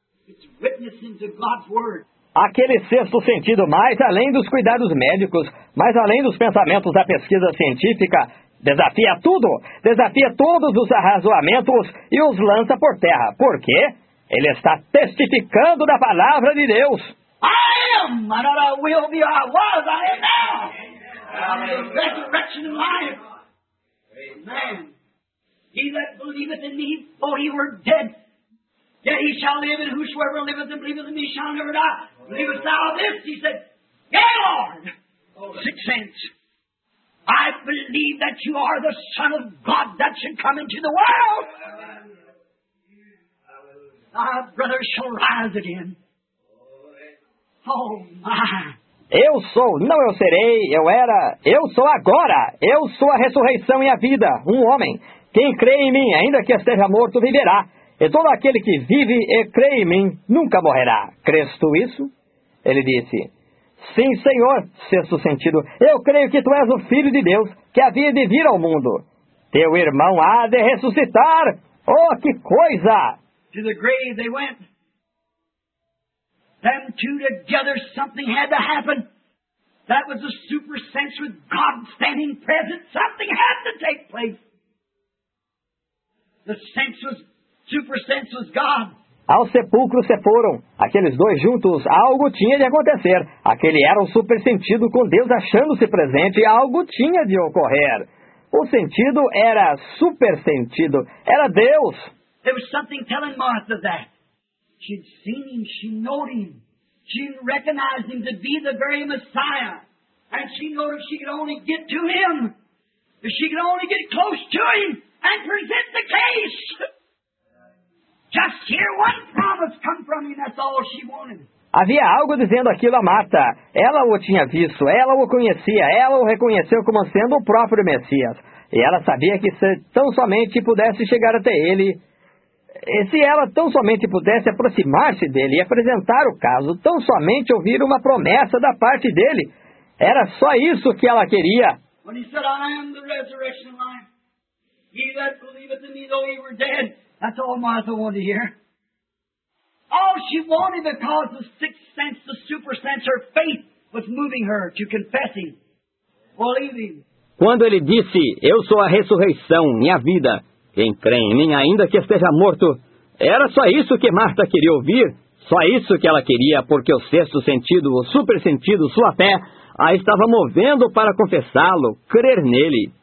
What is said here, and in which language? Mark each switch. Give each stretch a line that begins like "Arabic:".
English: It's witnessing to God's word.
Portuguese: Aquele sexto sentido, mais além dos cuidados médicos, mais além dos pensamentos da pesquisa científica, desafia tudo, desafia todos os arrazoamentos e os lança por terra. Por quê? Ele está testificando da palavra de Deus.
English: I am, and not I will be, I was, I am now. I am the resurrection and life. Amen. Amen. Amen. He that believeth in me, though he were dead, yet he shall live, and whosoever liveth and believeth in me shall never die. Believest thou this? He said, yea, Lord. Six cents. I believe that you are the Son of God that should come into the world. Our brother shall rise again. Oh, my.
Portuguese: Eu sou, não eu serei, eu era, eu sou agora, eu sou a ressurreição e a vida, um homem. Quem crê em mim, ainda que esteja morto, viverá. E todo aquele que vive e crê em mim, nunca morrerá. Crês tu isso? Ele disse, sim, Senhor, sexto sentido, eu creio que tu és o Filho de Deus, que havia de vir ao mundo. Teu irmão há de ressuscitar. Oh, que coisa!
English: To the grave they went. Them two together, something had to happen. That was a super sense with God standing present. Something had to take place. The sense was, super sense was God.
Portuguese: Ao sepulcro se foram. Aqueles dois juntos, algo tinha de acontecer. Aquele era um super sentido com Deus achando-se presente. Algo tinha de ocorrer. O sentido era super sentido. Era Deus.
English: There was something telling Martha that. She'd seen him, she knowed him, she recognized him to be the very Messiah. And she knew if she could only get to him, if she could only get close to him and present the case. Just hear one promise come from him, that's all she wanted.
Portuguese: Havia algo dizendo aquilo a Marta. Ela o tinha visto, ela o conhecia, ela o reconheceu como sendo o próprio Messias. E ela sabia que se tão somente pudesse chegar até ele... E se ela tão somente pudesse aproximar-se dele e apresentar o caso, tão somente ouvir uma promessa da parte dele, era só isso que ela queria.
English: When he said, I am the resurrection and life, he that believeth in me though he were dead, that's all Martha wanted to hear. All she wanted because the sixth sense, the super sense, her faith was moving her to confess him, believing.
Portuguese: Quando ele disse, eu sou a ressurreição e a vida, quem crê em mim, ainda que esteja morto, era só isso que Marta queria ouvir, só isso que ela queria, porque o sexto sentido, o super sentido, sua fé, a estava movendo para confessá-lo, crer nele.